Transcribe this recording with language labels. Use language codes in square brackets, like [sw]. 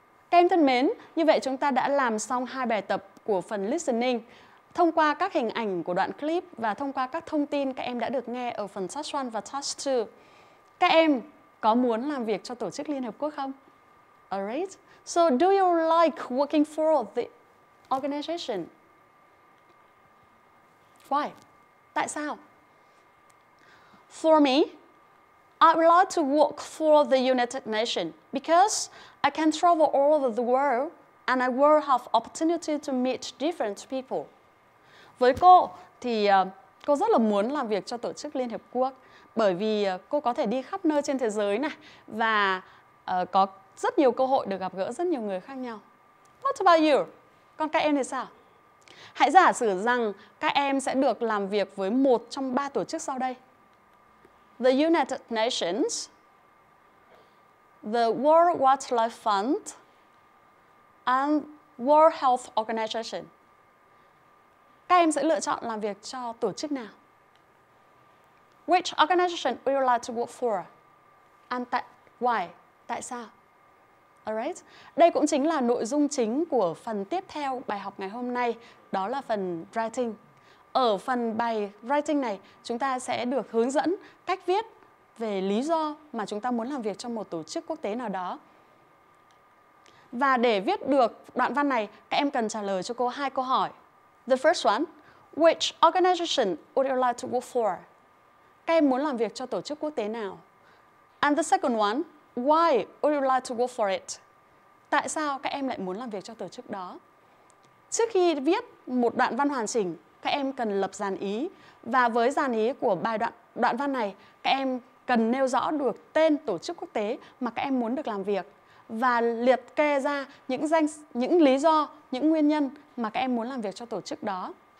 [vi] Các em thân mến, như vậy chúng ta đã làm xong hai bài tập của phần listening. Thông qua các hình ảnh của đoạn clip và thông qua các thông tin các em đã được nghe ở phần task 1 và task 2, các em có muốn làm việc cho Tổ chức Liên Hợp Quốc không? [en] All right. So do you like working for the organization? Why? [vi] Tại sao? [en] For me, I would like to work for the United Nations because I can travel all over the world and I will have opportunity to meet different people. [vi] Với cô thì cô rất là muốn làm việc cho tổ chức Liên Hiệp Quốc bởi vì cô có thể đi khắp nơi trên thế giới này và có rất nhiều cơ hội được gặp gỡ rất nhiều người khác nhau. [en] What about you? [vi] Còn các em thì sao? Hãy giả sử rằng các em sẽ được làm việc với một trong ba tổ chức sau đây. [en] The United Nations, the World Wildlife Fund, and World Health Organization. [vi] Các em sẽ lựa chọn làm việc cho tổ chức nào? [en] Which organization would you like to work for? And why? [vi] Tại sao? [en] Alright. [vi] Đây cũng chính là nội dung chính của phần tiếp theo bài học ngày hôm nay, đó là phần writing. Ở phần bài writing này, chúng ta sẽ được hướng dẫn cách viết về lý do mà chúng ta muốn làm việc trong một tổ chức quốc tế nào đó. Và để viết được đoạn văn này, các em cần trả lời cho cô hai câu hỏi. [en] The first one, which organization would you like to work for? [vi] Các em muốn làm việc cho tổ chức quốc tế nào? [en] And the second one, why would you like to work for it? [vi] Tại sao các em lại muốn làm việc cho tổ chức đó? Trước khi viết một đoạn văn hoàn chỉnh, các em cần lập dàn ý. Và với dàn ý của bài đoạn văn này, các em cần nêu rõ được tên tổ chức quốc tế mà các em muốn được làm việc và liệt kê ra những lý do, những nguyên nhân mà các em muốn làm việc cho tổ chức đó.